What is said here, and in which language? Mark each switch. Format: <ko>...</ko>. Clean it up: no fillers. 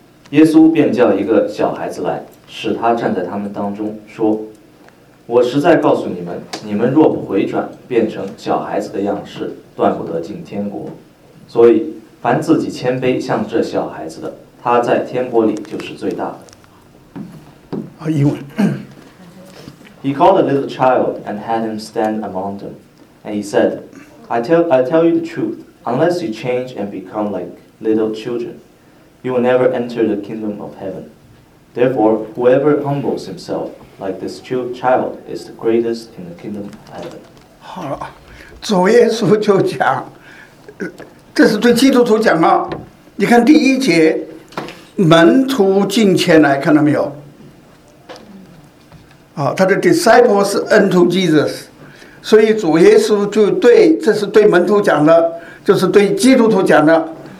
<zh>耶稣便叫一个小孩子来，使他站在他们当中，说：我实在告诉你们，你们若不回转，变成小孩子的样式，断不得进天国。所以，凡自己谦卑像这小孩子的，他在天国里就是最大的。英文。</zh> <en>He called a little child and had him stand among them, and he said, I tell you the truth, unless you change and become like little children. You will never enter the kingdom of heaven. Therefore, whoever humbles himself like this child is the greatest in the kingdom of heaven.</en> <zh>好了，主耶稣就讲，这是对基督徒讲啊。你看第一节，门徒进前来，看到没有？他的</zh> <en>disciples unto Jesus.</en> <zh>所以主耶稣就对，这是对门徒讲的，就是对基督徒讲的。</zh>